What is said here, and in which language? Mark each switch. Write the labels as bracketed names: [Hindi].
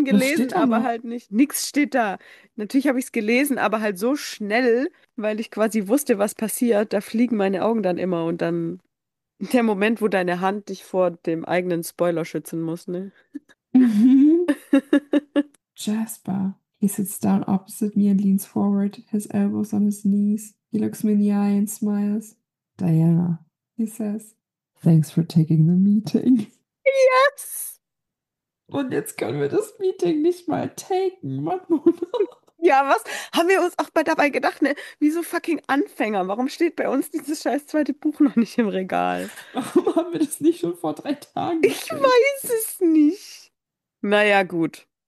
[German] Was gelesen, steht da aber noch? halt nicht. Nichts steht da. Natürlich habe ich es gelesen, aber halt so schnell, weil ich quasi wusste, was passiert. Da fliegen meine Augen dann immer und dann. Der Moment, wo deine Hand dich vor dem eigenen Spoiler schützen muss, ne? Mhm. Jasper. [English] He sits down opposite me and leans forward, his elbows on his knees. He looks me in the eye and smiles. Diana, he says, thanks for taking the Yes. meeting. [German] Und jetzt können wir das Meeting nicht mal taken, Mann, Mona. Ja, was? Haben wir uns auch dabei gedacht, ne? Wie so fucking Anfänger. Warum steht bei uns dieses scheiß zweite Buch noch nicht im Regal? Warum haben wir das nicht schon vor 3 Tagen Ich bestellt? weiß es nicht. Naja, gut.